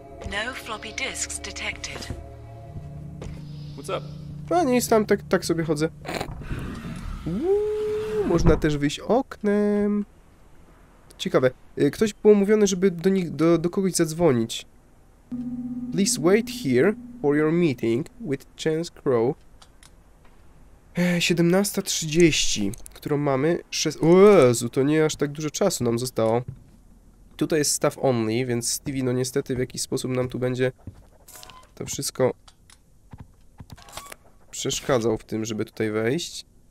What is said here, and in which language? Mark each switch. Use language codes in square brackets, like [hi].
[pl] No [en] No floppy disks detected. What's up? [pl] No nic tam, tak, tak sobie chodzę. Można też wyjść oknem. Ciekawe. Ktoś był umówiony, żeby do nich, do kogoś zadzwonić. [en] Please wait here for your meeting with Chance Crow. [pl] 17:30, którą mamy. Jezu, to nie aż tak dużo czasu nam zostało. Tutaj jest [en] staff only, [pl] więc Stevie, no niestety, w jakiś sposób nam tu będzie to wszystko przeszkadzał w tym, żeby tutaj wejść.